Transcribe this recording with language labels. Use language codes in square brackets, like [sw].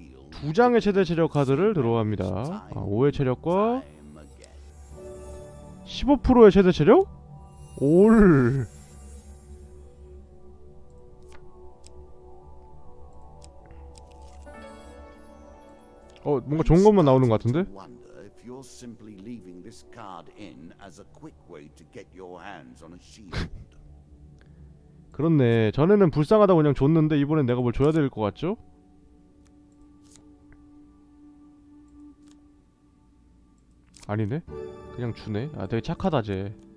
[ko] 두 장의 최대 체력 카드를 들어갑니다. 아, 5의 체력과 15%의 최대 체력? 올. 뭔가 좋은 것만 나오는 것 같은데? [en] Simply leaving this card in as a quick way to get your hands on a shield. [ko] 그렇네. 전에는 불쌍하다고 그냥 줬는데 이번엔 내가 뭘 줘야 될 것 같죠? 아니네. 그냥 주네. 아, 되게 착하다 쟤.